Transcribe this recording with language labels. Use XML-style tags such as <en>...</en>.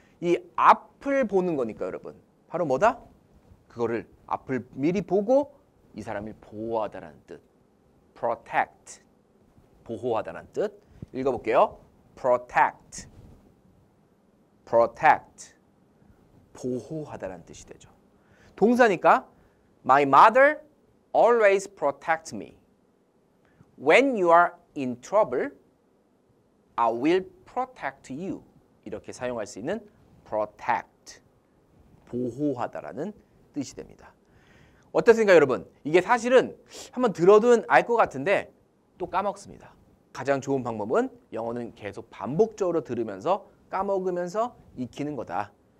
<ko>이 앞을 보는 거니까 여러분 바로 뭐다? 그거를 앞을 미리 보고 이 사람을 보호하다라는 뜻. protect, 보호하다라는 뜻. 읽어볼게요. protect, protect, 보호하다라는 뜻이 되죠. 동사니까</ko> <en>my mother always protects me. When you are in trouble, I will protect you.</en> <ko>이렇게 사용할 수 있는 protect, 보호하다라는 뜻이 됩니다. 어떻습니까 여러분? 이게 사실은 한번 들어둔 알 것 같은데 또 까먹습니다. 가장 좋은 방법은 영어는 계속 반복적으로 들으면서 까먹으면서 익히는 거다.</ko>